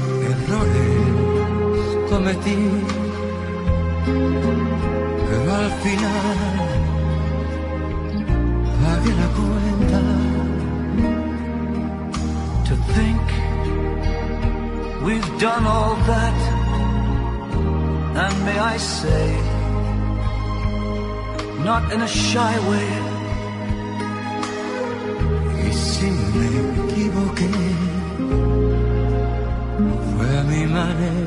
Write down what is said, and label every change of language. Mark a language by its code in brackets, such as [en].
[es] Errores cometí, pero al final pagué la cuenta. [en] To think we've done all that, and may I say, not in a shy way. [es] Si me equivoqué, fue a mi manera.